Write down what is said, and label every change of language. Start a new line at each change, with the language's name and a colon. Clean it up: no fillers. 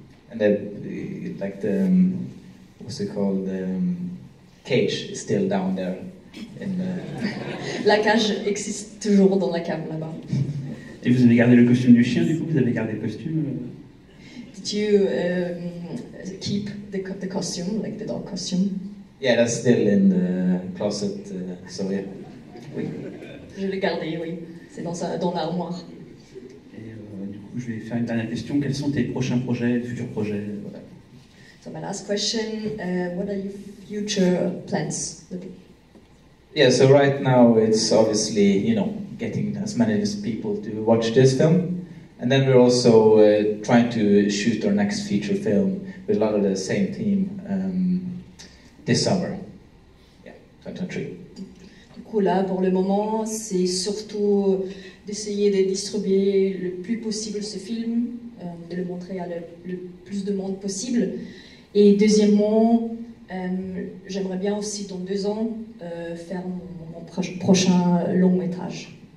English: And then, like the, what's it called, the cage is still down there.
French: La cage existe toujours dans la cave là-bas. Et vous avez gardé le costume du chien, du coup, vous avez gardé le costume?
English: Did you keep the costume, like the dog costume? Yeah, that's still in the closet, so yeah.
French: Oui. Je l'ai gardé, oui. C'est dans l'armoire. Et du coup, je vais faire une dernière question. Quels sont tes prochains projets, futurs projets?
English: So my last question, what are your future plans? Yeah, so right now it's obviously, you know, getting as many as people to watch this film. And then we're also trying to shoot our next feature film with a lot of the same team this summer. Yeah, 2023.
French: Du coup là, pour le moment, c'est surtout d'essayer de distribuer le plus possible ce film, de le montrer à le plus de monde possible. Et deuxièmement, j'aimerais bien aussi dans 2 ans faire mon prochain long métrage.